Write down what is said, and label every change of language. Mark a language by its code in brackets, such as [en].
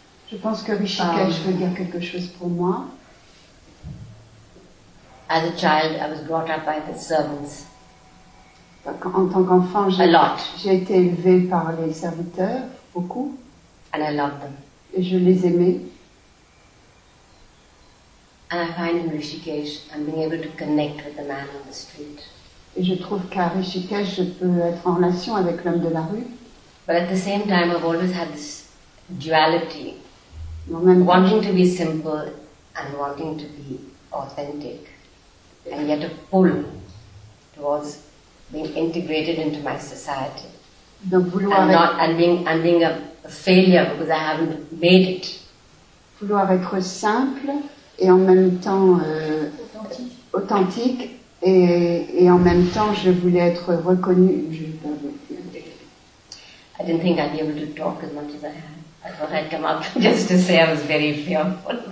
[fr] Je pense que Rishikesh veut dire quelque chose pour moi. [en] As a child, I was brought up by the servants. [fr] En tant qu'enfant, j'ai été élevée par les serviteurs, beaucoup. [en] And I loved them. [fr] Et je les aimais. [en] And I find in Rishikesh, I'm being able to connect with the man on the street. [fr] Et je trouve qu'à Rishikesh, je peux être en relation avec l'homme de la rue. [en] But at the same time, I've always had this duality. Wanting to be simple and wanting to be authentic. And yet a pull towards being integrated into my society. [fr] Donc vouloir [en] and not and being a failure because I haven't made it. [fr] Vouloir être simple et en même temps authentique et en même temps je voulais être reconnue. [en] I didn't think I'd be able to talk as much as I had. I thought I'd come up just to say I was very fearful.